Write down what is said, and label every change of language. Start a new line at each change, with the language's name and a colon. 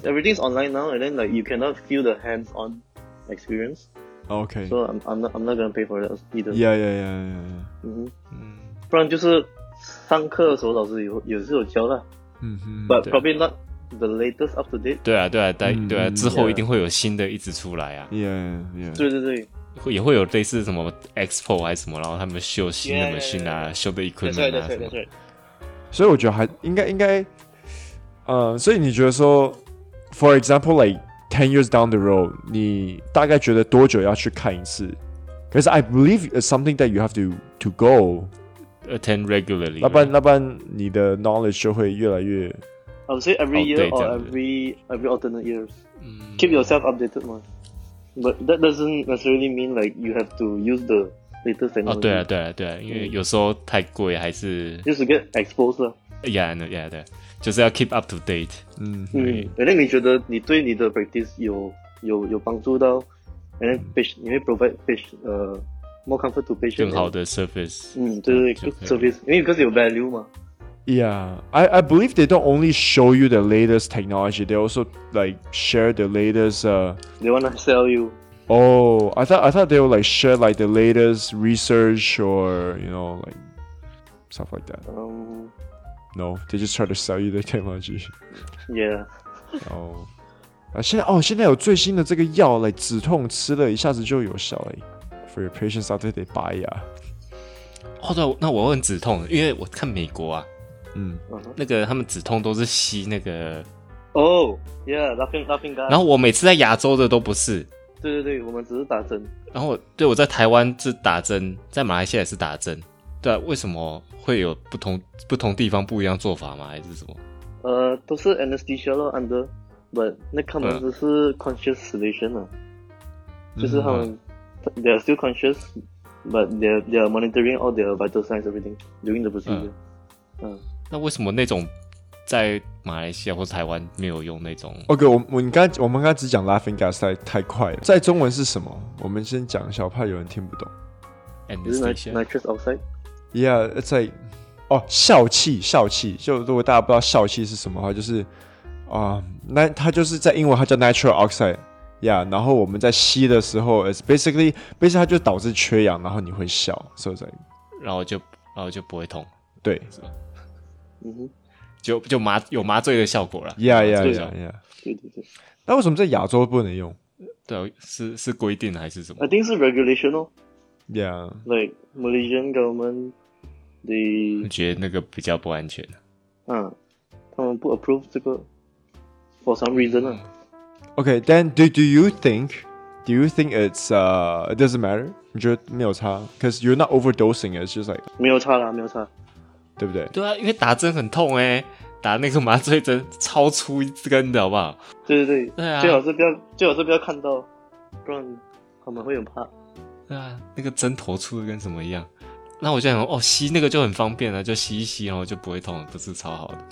English: Everything's online now, and then like you cannot feel the hands-on experience. Okay. So I'm not gonna pay for that either. Yeah.
Chinese: 嗯哼，不然就是上课的时候老师有时候教了，嗯哼
English: ，but probably not the latest up to date.
Chinese: 对啊，对啊，之后一定会有新的一直出来啊。
English: Yeah.
Chinese: 对对对。也会有类似什么 expo 还是什么，然后他们秀新的 machine 啊，秀的 equipment 啊什么。
English: That's right, that's right, that's right.
Chinese: 所以我觉得还应该，所以你觉得说
English: ，for example like 10 years down the road，
Chinese: 你大概觉得多久要去看一次
English: ？Because I believe it's something that you have to go attend regularly。
Chinese: 那不然你的 knowledge 就会越来越。
English: I would say every year or every alternate years. Keep yourself updated, man. But that doesn't necessarily mean like you have to use the latest technology.
Chinese: 哦，对啊，对啊，对啊，因为有时候太贵还是
English: just to get exposed 了。 Yeah, I know, yeah,
Chinese: 对，就是要
English: keep up to date.
Chinese: 然后你觉得你对你的 practice 有帮助到，然后 patient 你会
English: provide more comfort to patient
Chinese: 更好的 service. 对对对 ，service， 因为 because 有 value 嘛。
English: Yeah, I believe they don't only show you the latest technology, they also like share the latest... They want to sell you. Oh, I thought they would like share like the latest research or, you know, like stuff like that. No, they just try to sell you the technology. Yeah. Oh.
Chinese: 现在有最新的这个药，来止痛，吃了一下子就有效了。
English: For your patients out there, they buy ya.
Chinese: 哦，对，那我很止痛，因为我看美国啊，嗯，那个他们止痛都是吸那个。
English: Oh, yeah, laughing gas.
Chinese: 然后我每次在亚洲的都不是。对对对，我们只是打针。然后对我在台湾是打针，在马来西亚也是打针。对啊，为什么会有不同地方不一样做法吗？还是什么？都是 anesthesia under。
English: But
Chinese: 那他们只是
English: conscious sedation
Chinese: 啊，就是他们
English: they are still conscious, but they are monitoring all their vital signs everything during the procedure.
Chinese: 那为什么那种在马来西亚或台湾没有用那种？OK， 我们刚只讲 laughing gas 太快了，在中文是什么？我们先讲一下，我怕有人听不懂。
English: Nitrous oxide. Yeah, it's like 哦，笑气。
Chinese: 就如果大家不知道笑气是什么的话，就是。它就是在英文它叫 natural oxide， yeah， 然后我们在吸的时候
English: it's basically
Chinese: 它就导致缺氧，然后你会笑，所以然后就不会痛，对，嗯哼，就麻有麻醉的效果了，
English: yeah yeah yeah yeah，
Chinese: 对对对，那为什么在亚洲不能用？对，是规定还是什么？
English: I think 是 regulation 哦， yeah， like Malaysian government they
Chinese: 觉得那个比较不安全，
English: 嗯，
Chinese: 他们不 approve 这个。
English: For some reason, okay. Then do you think it's it doesn't matter?
Chinese: 你觉得没有差
English: ？Because you're not overdosing. It's just like
Chinese: 没有差啦，没有差，对不对？对啊，因为打针很痛哎，打那个麻醉针超粗一根的好不好？对对对，对啊，最好是不要看到，不然他们会很怕。对啊，那个针头粗的跟什么一样？那我就想哦，吸那个就很方便了，就吸一吸，然后就不会痛了，不是超好的？